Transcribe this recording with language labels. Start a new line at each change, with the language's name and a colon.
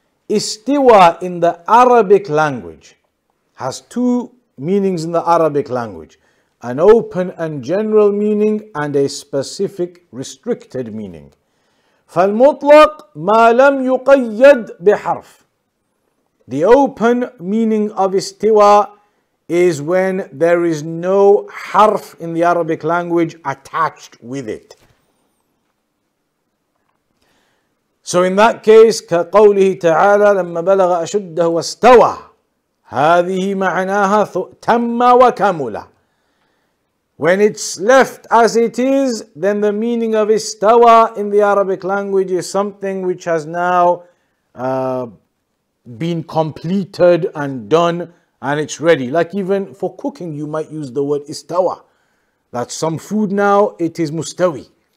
English: Istiwa in the Arabic language has two meanings in the Arabic language: an open and general meaning and a specific restricted meaning.
Arabic: فالمطلق ما لم يقيد بحرف.
English: The open meaning of istiwa is when there is no harf in the Arabic language attached with it. So in that case,
Arabic: كقوله تعالى لما بلغ أشده واستوى هذه معناها تم وكمل.
English: When it's left as it is, then the meaning of استوى in the Arabic language is something which has now been completed and done and it's ready. Like even for cooking, you might use the word استوى. That some food now, it is مستوي.